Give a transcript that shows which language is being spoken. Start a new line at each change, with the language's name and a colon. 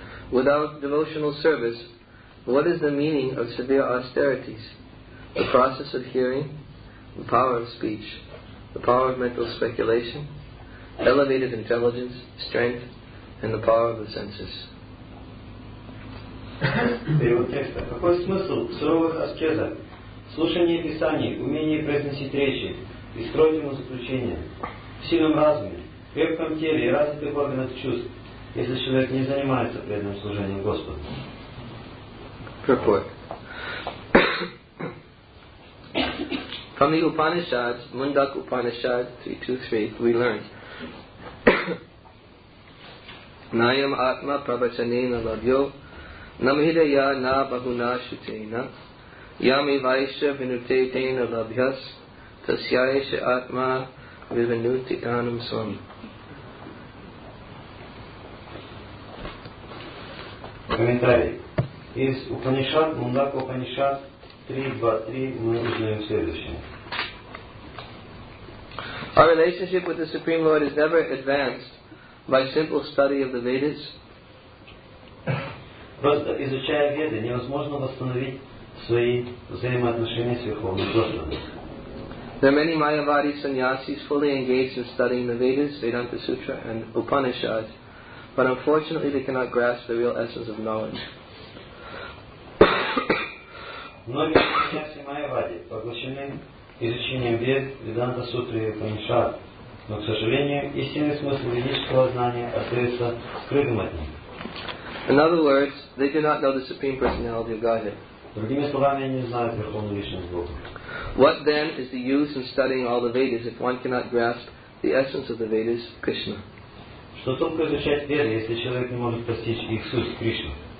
English: Without devotional service, what is the meaning of severe austerities? The process of hearing, the power of speech, the power of mental speculation, elevated intelligence, strength, and the power of the senses.
Russian: Перевод текста. Какой смысл суровых аскезов? Слушание писаний, умение произносить речи, искреннему заключение, в сильном разуме, в крепком теле и развитых органах чувств, если человек не занимается преданным служением Господу. Какой?
English: From the Upanishads, Mundak Upanishad 3.2.3, we learn
Sanskrit: Nayam Atma Prabhachanena Labhyo Namhidaya Na Bahuna Shutena Yami Vaisha Vinute Tena Labhyas Tasyayesha Atma Vivinuti Anam Swam.
English: Commentary.
Russian: Из Упанишад, Мундак Упанишад 3.2.3 мы узнаем следующее.
English: Our relationship with the Supreme Lord is never advanced by simple study of the Vedas.
Russian: Просто изучая Веды, невозможно восстановить свои взаимоотношения с Верховным Господом.
English: There are many Mayavadi sannyasis fully engaged in studying the Vedas, Vedanta Sutra and Upanishads, but unfortunately they cannot grasp the real essence of knowledge.
Russian: Многие сейчас майявади поглощены изучением Вед, Веданта Сутры и Панишад, но, к сожалению, истинный смысл ведического знания остается скрытым от них.
English: In other words, they do not know the Supreme Personality of Godhead.
Russian: Другими словами, они не знают Верховную Личность Бога.
English: What then is the use in studying all the Vedas if one cannot grasp the essence of the Vedas, Krishna?
Russian: Что толку изучать Веды, если человек не может постичь их суть, Кришну?